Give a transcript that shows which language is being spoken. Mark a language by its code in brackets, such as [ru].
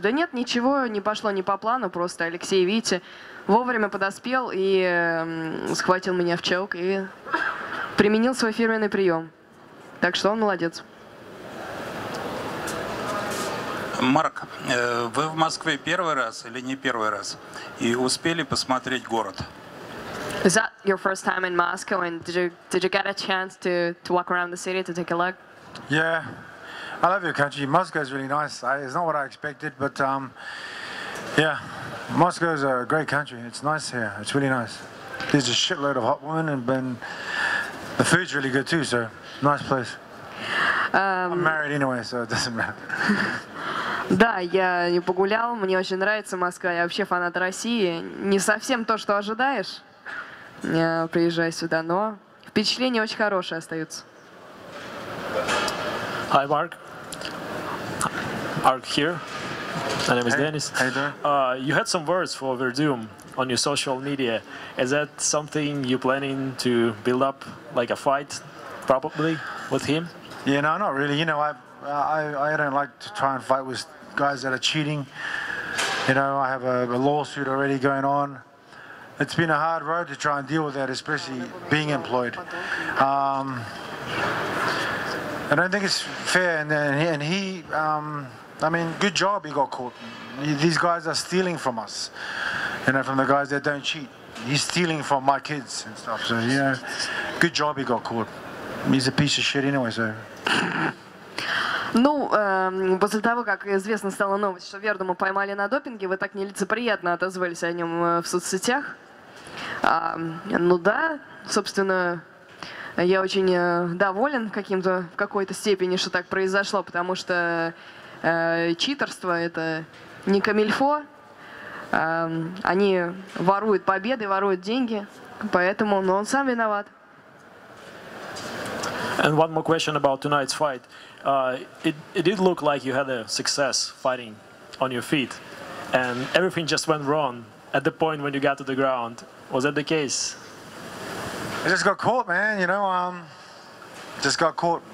[ru] Да нет, ничего не пошло не по плану, просто Алексей, видите, вовремя подоспел и схватил меня в челк и применил свой фирменный прием. Так что он молодец. Марк, вы в Москве первый раз или не первый раз? И успели посмотреть город? [en] Is that your first time in Moscow, and did you get a chance to walk around the city to take a look? Yeah, I love your country. Moscow is really nice. It's not what I expected, but yeah, Moscow is a great country. It's nice here. It's really nice. There's a shitload of hot women, and the food's really good too. So nice place. I'm married anyway, so it doesn't matter. [ru] Да, я не погулял, мне очень нравится Москва, я вообще фанат России. Не совсем то, что ожидаешь, приезжая сюда, но впечатления очень хорошие остаются. [en] Hi, Mark. Mark here. My name is Dennis. Hey, there. You had some words for Verdum on your social media. Is that something you're planning to build up, like a fight, probably, with him? Yeah, no, not really. You know, I don't like to try and fight with guys that are cheating. You know, I have a lawsuit already going on. It's been a hard road to try and deal with that, especially being employed. I don't think it's fair. And he, good job he got caught. These guys are stealing from us, you know, from the guys that don't cheat. He's stealing from my kids and stuff. So, you know, good job he got caught. He's a piece of shit anyway, so... [ru] Ну, после того, как известно стала новость, что Вердума поймали на допинге, вы так нелицеприятно отозвались о нем в соцсетях. Ну да, собственно, я очень доволен в какой-то степени, что так произошло, потому что читерство — это не камильфо. Они воруют победы, воруют деньги, поэтому он сам виноват. [en] And one more question about tonight's fight. It did look like you had a success fighting on your feet, and everything just went wrong at the point when you got to the ground. Was that the case? I just got caught, man. You know, just got caught.